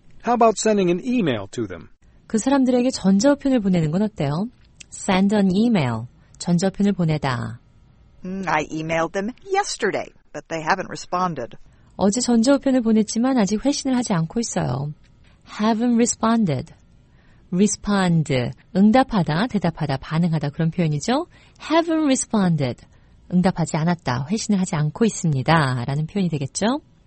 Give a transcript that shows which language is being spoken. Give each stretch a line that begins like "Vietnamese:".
English: How about sending an email to them?
Korean: 그 사람들에게 전자우편을 보내는 건 어때요?
English: Send an email.
Korean: 전자우편을 보내다.
English: I emailed them yesterday, but they haven't responded.
Korean: 어제 전자우편을 보냈지만 아직 회신을 하지 않고 있어요.
English: Haven't responded.
Korean: Respond. 응답하다, 대답하다, 반응하다 그런 표현이죠.
English: Haven't responded.
Korean: 응답하지 않았다, 회신을 하지 않고 있습니다 라는 표현이 되겠죠.